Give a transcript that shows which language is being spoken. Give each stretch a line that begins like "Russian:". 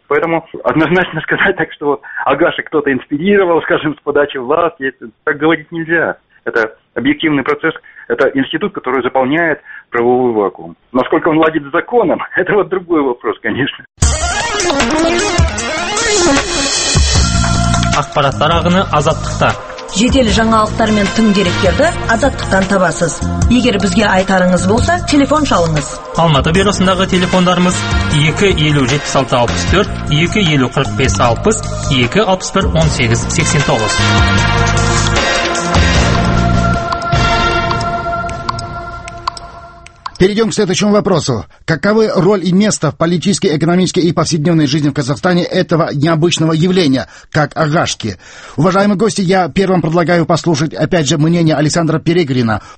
Russian: Поэтому однозначно сказать так, что вот агаши кто-то инспирировал, скажем, с подачи власти, так говорить нельзя. Это объективный процесс, это институт, который заполняет правовой вакуум. Насколько он ладит с законом, это вот другой вопрос, конечно.
Kazakh: Ақпараттар ағыны азаттықта. Жедел жаңалықтар мен тың деректерді азаттықтан табасыз. Егер бізге айтарыңыз болса, телефон шалыңыз. Алматы бюросындағы телефондарымыз 257664, 250460, 261889.
Russian: Перейдем к следующему вопросу. Каковы роль и место в политической, экономической и повседневной жизни в Казахстане этого необычного явления, как агашки? Уважаемые гости, я первым предлагаю послушать, опять же, мнение Александра Перегрина.